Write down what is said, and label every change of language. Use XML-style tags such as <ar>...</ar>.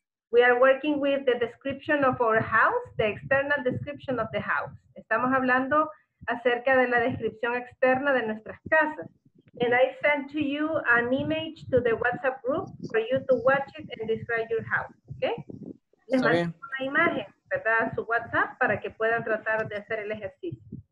<en>We are working with the description of our house, the external description of the house.</en> <es>Estamos hablando acerca de la descripción externa de nuestras casas.</es> <en>And I sent to you an image to the WhatsApp group for you to watch it and describe your house, okay?</en> <es>Les mando una imagen, ¿verdad? A su WhatsApp para que puedan tratar de hacer el ejercicio.</es>